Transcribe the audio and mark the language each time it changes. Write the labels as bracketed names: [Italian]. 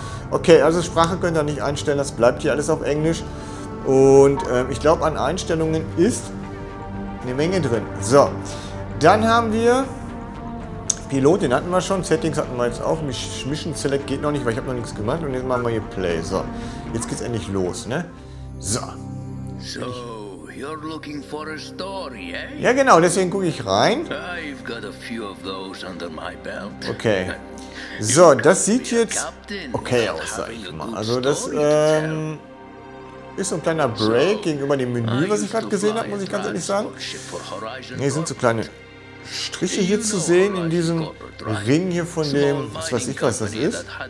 [German] Okay, also Sprache könnt ihr nicht einstellen, das bleibt hier alles auf Englisch. Und ich glaube, an Einstellungen ist eine Menge drin. So, dann haben wir Pilot, den hatten wir schon. Settings hatten wir jetzt auch. Mission Select geht noch nicht, weil ich habe noch nichts gemacht. Und jetzt machen wir hier Play. So, jetzt geht's endlich los, ne? So. [English] So, you're looking for a story, eh? [German] Ja, genau, deswegen gucke ich rein. [English] I've got a few of those under my belt. Okay. [German] So, das sieht jetzt okay aus, sag ich mal. Also das ist so ein kleiner Break gegenüber dem Menü, was ich gerade gesehen habe, muss ich ganz ehrlich sagen. Hier sind so kleine Striche hier zu sehen in diesem Ring hier von dem, was weiß ich, was das ist.